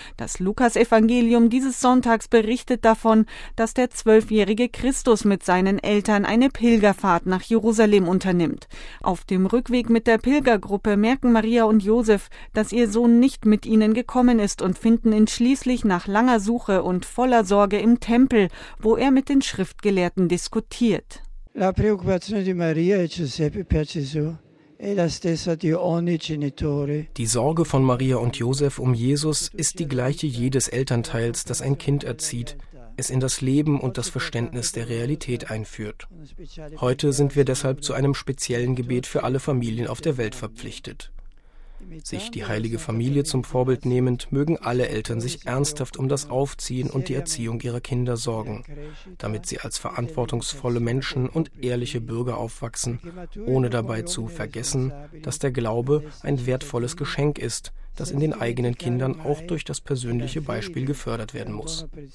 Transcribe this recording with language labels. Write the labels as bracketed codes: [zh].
[de] Das Lukasevangelium dieses Sonntags berichtet davon, dass der 12-jährige Christus mit seinen Eltern eine Pilgerfahrt nach Jerusalem unternimmt. Auf dem Rückweg mit der Pilgergruppe merken Maria und Josef, dass ihr Sohn nicht mit ihnen gekommen ist und finden ihn schließlich nach langer Suche und voller Sorge im Tempel, wo er mit den Schriftgelehrten diskutiert. [it] La preoccupazione di Maria e Giuseppe per Gesù è la stessa di ogni genitore. [de] Die Sorge von Maria und Josef um Jesus ist die gleiche jedes Elternteils, das ein Kind erzieht, es in das Leben und das Verständnis der Realität einführt. Heute sind wir deshalb zu einem speziellen Gebet für alle Familien auf der Welt verpflichtet. Sich die heilige Familie zum Vorbild nehmend, mögen alle Eltern sich ernsthaft um das Aufziehen und die Erziehung ihrer Kinder sorgen, damit sie als verantwortungsvolle Menschen und ehrliche Bürger aufwachsen, ohne dabei zu vergessen, dass der Glaube ein wertvolles Geschenk ist, das in den eigenen Kindern auch durch das persönliche Beispiel gefördert werden muss.